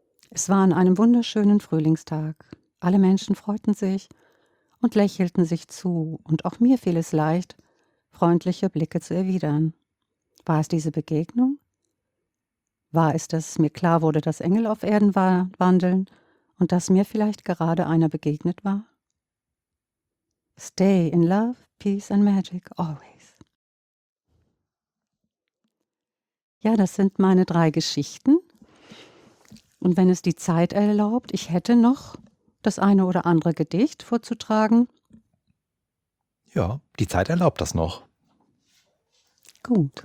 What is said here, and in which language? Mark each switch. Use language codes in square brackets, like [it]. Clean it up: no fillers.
[de] Es war an einem wunderschönen Frühlingstag. Alle Menschen freuten sich und lächelten sich zu und auch mir fiel es leicht, freundliche Blicke zu erwidern. War es diese Begegnung? War es, dass mir klar wurde, dass Engel auf Erden wandeln und dass mir vielleicht gerade einer begegnet war? [en] Stay in love, peace and magic, always. [de] Ja, das sind meine drei Geschichten. Und wenn es die Zeit erlaubt, ich hätte noch das eine oder andere Gedicht vorzutragen. Ja, die Zeit erlaubt das noch. Gut.